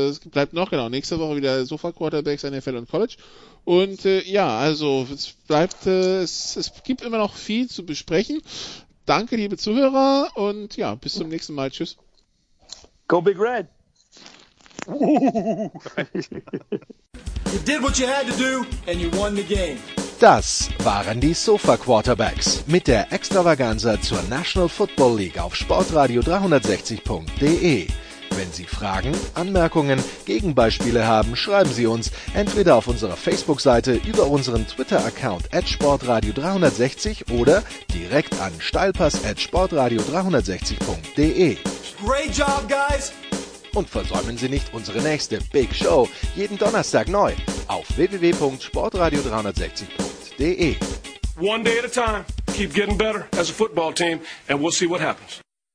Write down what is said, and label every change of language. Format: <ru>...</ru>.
<de>Bleibt noch genau. Nächste Woche wieder Sofa-Quarterbacks, NFL und College. Und es gibt immer noch viel zu besprechen. Danke, liebe Zuhörer, und ja, bis zum nächsten Mal. Tschüss.</de> <en>Go Big Red. You did what you had to do and you won the game.</en> <de>Das waren die Sofa Quarterbacks mit der Extravaganza zur National Football League auf Sportradio 360.de. Wenn Sie Fragen, Anmerkungen, Gegenbeispiele haben, schreiben Sie uns entweder auf unserer Facebook-Seite über unseren Twitter-Account @sportradio360 oder direkt an steilpass@sportradio360.de.</de> <en>Great job, guys!</en> <de>Und versäumen Sie nicht unsere nächste Big Show jeden Donnerstag neu auf www.sportradio360.de.</de> <en>One day at a time. Keep getting better as a football team and we'll see what happens.</en>